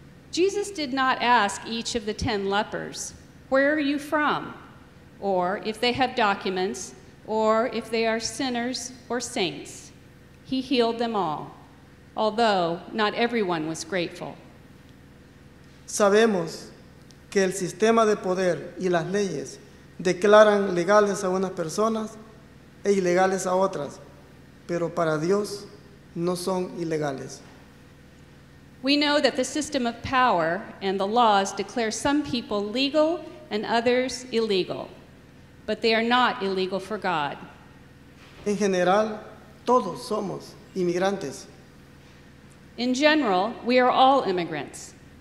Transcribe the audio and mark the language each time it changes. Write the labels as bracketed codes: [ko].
[en] Jesus did not ask each of the 10 lepers, where are you from? Or if they have documents, or if they are sinners or saints. He healed them all, although not everyone was grateful. [es] Sabemos que el sistema de poder y las leyes declaran legales a unas personas e ilegales a otras, pero para Dios no son ilegales. [en] We know that the system of power and the laws declare some people legal and others illegal, but they are not illegal for God. [es] En general, todos somos inmigrantes. [en] In general, we are all immigrants.